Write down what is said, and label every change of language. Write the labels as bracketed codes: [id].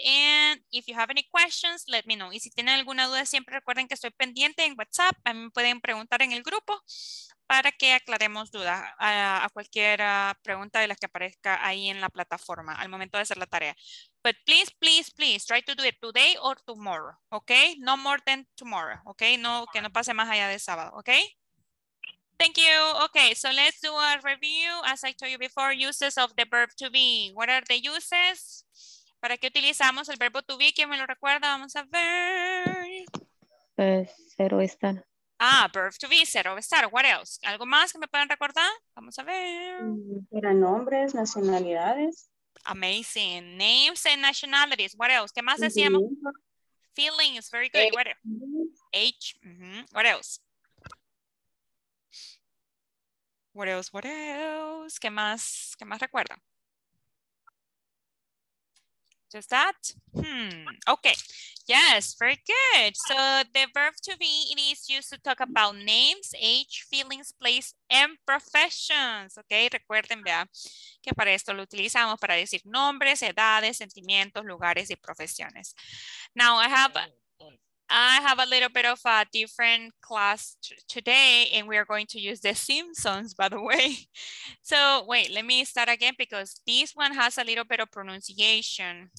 [en] And if you have any questions, let me know. [es] Y si tienen alguna duda, siempre recuerden que estoy pendiente en WhatsApp. También pueden preguntar en el grupo para que aclaremos dudas a cualquier pregunta de las que aparezca ahí en la plataforma al momento de hacer la tarea. [en] But please, try to do it today or tomorrow. Okay? No more than tomorrow. Okay? [es] No, que no pase más allá de sábado. [en] Okay? Thank you. Okay, so let's do a review. As I told you before, uses of the verb to be. What are the uses? [es] ¿Para qué utilizamos el verbo to be? ¿Quién me lo recuerda? Vamos a ver. Ser o estar. [en] Ah, verb to be, [es] ser o estar. [en] What else? [es] ¿Algo más que me puedan recordar? Vamos a ver. Eran nombres, nacionalidades. [en] Amazing. Names and nationalities. What else? [es] ¿Qué más decíamos? [en] Feelings. Very good. What else? H. Mm-hmm. What else? What else? [es] ¿Qué más recuerdan? [en] Just that? Okay. Yes, very good. So the verb to be, it is used to talk about names, age, feelings, place, and professions. [es] Okay, recuerden, vea, que para esto lo utilizamos para decir nombres, edades, sentimientos, lugares, y profesiones. [en] Now I have a little bit of a different class today, and we are going to use the Simpsons, by the way. So wait, let me start again because this one has a little bit of pronunciation.